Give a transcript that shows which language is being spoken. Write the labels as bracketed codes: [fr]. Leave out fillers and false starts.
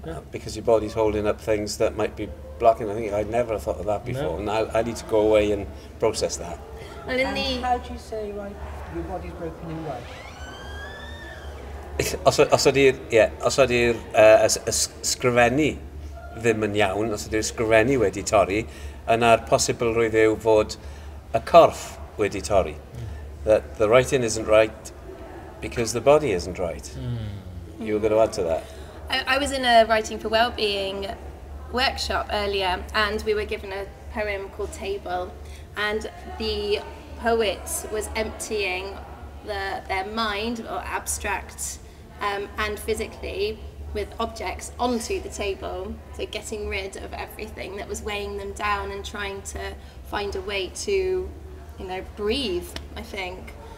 [en] Because your body's holding up things that might be blocking. I think I'd never thought of that before. No. And I need to go away and process that. How do you say your body's broken in right? [cy] Os ydy'r ysgrifennu ddim yn iawn, os ydy'r ysgrifennu wedi torri, yna'r posibl rwydd yw fod y corff wedi torri. [en] That the writing isn't right because the body isn't right. You were going to add to that. I was in a Writing for Wellbeing workshop earlier, and we were given a poem called Table, and the poet was emptying their mind, or abstract, and physically with objects onto the table, so getting rid of everything that was weighing them down and trying to find a way to, breathe, I think.